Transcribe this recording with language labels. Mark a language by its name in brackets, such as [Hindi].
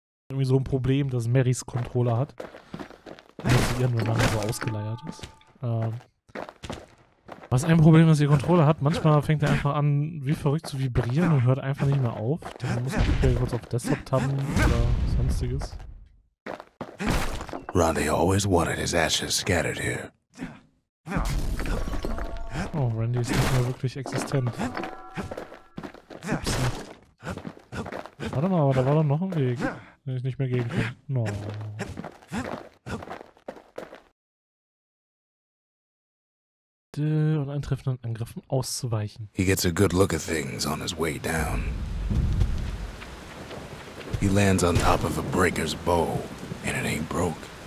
[German] Irgendwie so ein Problem, dass Marys Controller hat. Muss sie irgendwann, wenn man so ausgeleiert ist. Was ein Problem, dass ihr Controller hat. Manchmal fängt er einfach an, wie verrückt zu vibrieren und hört einfach nicht mehr auf. Dann muss ich vielleicht kurz auf Desktop tappen oder sonstiges. [English] Randy always wanted his ashes scattered here. [German] Oh, Randy ist nicht mehr wirklich existent. Upsi. Warte mal, aber da war doch noch ein Weg, den ich nicht mehr gehen kann. No. Und eintreffenden Angriffen auszuweichen. [English] He gets a good look at things on his way down. He lands on top of a breaker's bow, and it ain't broke.